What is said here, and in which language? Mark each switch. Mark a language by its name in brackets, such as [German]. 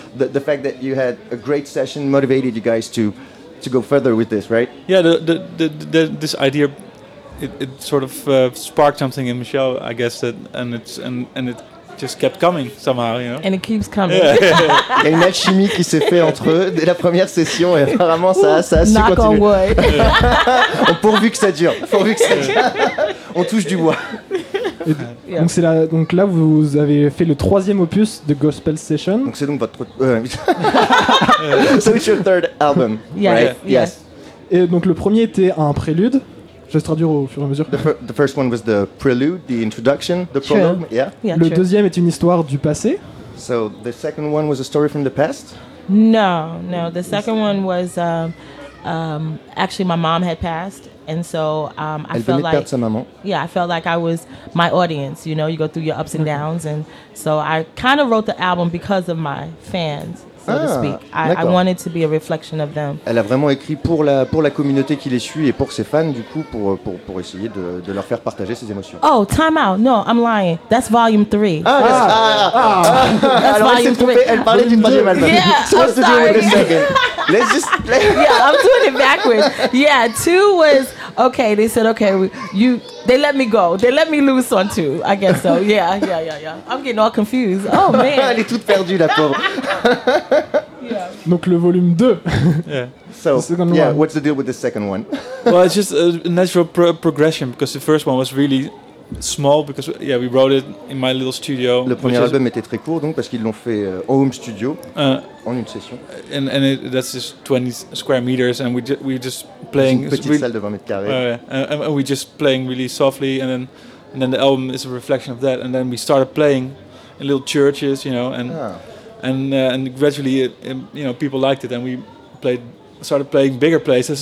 [English] The fact that you had a great session motivated you guys to go further with this, right? Yeah, this idea. It sort of sparked something in Michel, I guess, and it just kept coming somehow, you know. And it keeps coming. Yeah, yeah, yeah. [French] Une alchimie qui s'est fait entre eux dès la première session, et apparemment ça a su continuer. [English] Knock on wood. [French] Pourvu que ça dure. Pourvu que ça dure. On touche du bois. Yeah. Donc c'est là. Donc là, vous avez fait le troisième opus de Gospel Session. Donc c'est donc votre. [English] So it's your third album. Yes. Right? Yes. [French] Et donc le premier était un prélude. Je vais traduire au fur et à mesure. [English] The first one was the prelude, the introduction, the true. Prologue. Yeah. Yeah, [French] le [English] true. [French] Deuxième est une histoire du passé. [English] So the second one was a story from the past? No. The second one was actually my mom had passed, and so I [French] elle [English] felt [French] venait [English] like [French] perdre sa maman. [English] Yeah, I felt like I was my audience. You know, you go through your ups and downs, and so I kind of wrote the album because of my fans. So to speak. I wanted to be a reflection of them. [French] Elle a vraiment écrit pour la communauté qui les suit et pour ses fans, du coup, pour essayer de leur faire partager ses émotions. [English] Oh, time out. No, I'm lying. That's volume 3. [French] Alors, elle s'est trompée. Elle parlait d'une troisième album. [English] Yeah, so I'm sorry. Let's just play. Yeah, I'm doing it backwards. Yeah, 2 was... Okay, they said, okay, they let me go. They let me lose on 2, I guess so. Yeah. I'm getting all confused. Oh, man. [French] Elle est toute perdue, la pauvre. [English] Yeah. [French] Donc le volume 2. [English] Yeah. So, yeah, what's the deal with the second one? Well, it's just a natural progression, because the first one was really small because yeah, we wrote it in my little studio. [French] Le premier album était très court donc parce qu'ils l'ont fait home studio en une session. [English] And it, that's just 20 square meters and we're just playing. [French] Une petite salle de 20 mètres carrés. [English] And we're just playing really softly and then the album is a reflection of that and then we started playing in little churches, you know, and gradually it people liked it and started playing bigger places.